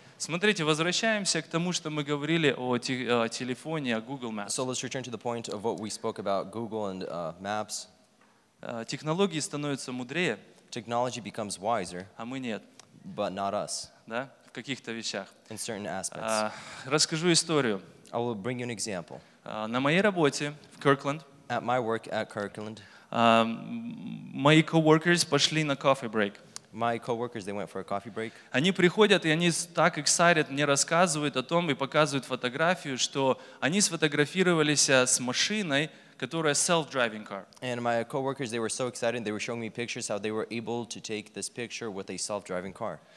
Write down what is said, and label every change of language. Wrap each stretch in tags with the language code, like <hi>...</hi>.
<ru>Смотрите, возвращаемся к тому, что мы говорили о телефоне, о Google Maps.</ru> <en>So let's return to the point of what we spoke about, Google and Maps.</en> <ru>Технологии становятся мудрее.</ru> <en>Technology becomes wiser.</en> <ru>А мы нет.</ru> <en>But not us.</en> <ru>Да, в каких-то вещах.</ru> <en>In certain aspects.</en> <ru>Расскажу историю.</ru> <en>I will bring you an example.</en> <ru>На моей работе в Kirkland.</ru> <en>At my work at Kirkland.</en> <ru>Мои coworkers пошли на coffee break.</ru> <en>My coworkers, they went for a coffee break.</en> <ru>Они приходят и они так excited мне рассказывают о том и показывают фотографию, что они сфотографировались с машиной, которая self-driving car.</ru> <en>And my coworkers, they were so excited. They were showing me pictures how they were able to take this picture with a self-driving car.</en>